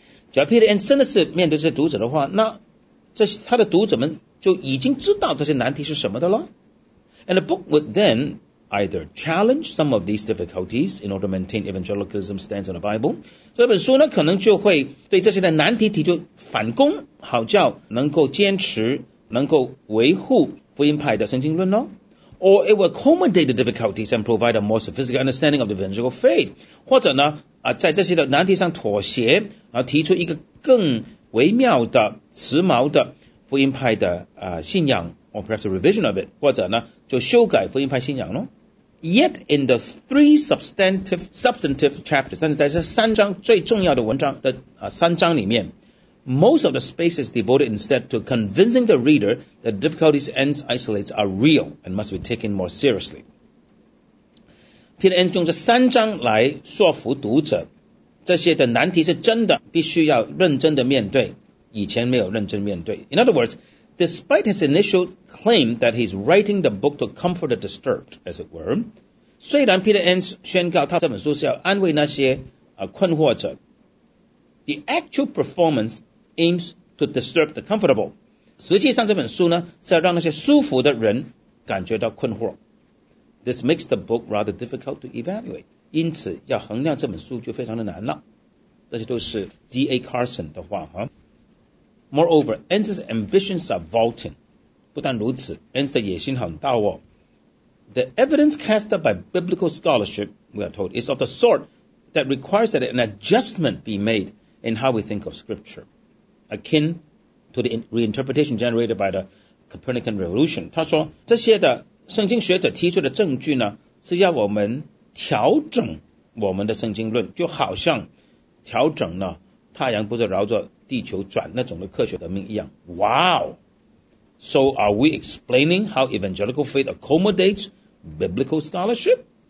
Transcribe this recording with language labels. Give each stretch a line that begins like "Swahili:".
Chinese: 假如 Peter N 真的是面对这些读者的话，那这他的读者们就已经知道这些难题是什么的了。
English: And the book would then either challenge some of these difficulties in order to maintain evangelicalism stands on the Bible.
Chinese: 这本书呢，可能就会对这些的难题提出反攻，好叫能够坚持、能够维护福音派的圣经论咯。
English: Or it will accommodate the difficulties and provide a more sophisticated understanding of the evangelical faith.
Chinese: 或者呢，在这些的难题上妥协，然后提出一个更微妙的、时髦的福音派的信仰 ，
English: or perhaps a revision of it.
Chinese: 或者呢，就修改福音派信仰咯。
English: Yet in the three substantive chapters,
Chinese: 但是在这三章最重要的文章的三章里面。
English: Most of the space is devoted instead to convincing the reader that the difficulties Ends isolates are real and must be taken more seriously.
Chinese: Peter Ends 用这三章来说服读者，这些的难题是真的，必须要认真的面对，以前没有认真面对。
English: In other words, despite his initial claim that he's writing the book to comfort the disturbed, as it were,
Chinese: 虽然 Peter Ends 宣告他这本书是要安慰那些困惑者。
English: The actual performance aims to disturb the comfortable.
Chinese: 实际上这本书呢是要让那些舒服的人感觉到困惑。
English: This makes the book rather difficult to evaluate.
Chinese: 因此要衡量这本书就非常的难了。这些都是 D.A. Carson 的话。
English: Moreover, Ends' ambitions are vaulting.
Chinese: 不但如此 ,Ends 的野心很大哦。
English: The evidence cast up by biblical scholarship, we are told, is of the sort that requires that an adjustment be made. In how we think of scripture, akin to the reinterpretation generated by the Copernican Revolution.
Chinese: 他说这些的圣经学者提出的证据呢是要我们调整我们的圣经论就好像调整呢太阳不是绕着地球转那种的科学革命一样
English: Wow! So are we explaining how evangelical faith accommodates biblical scholarship?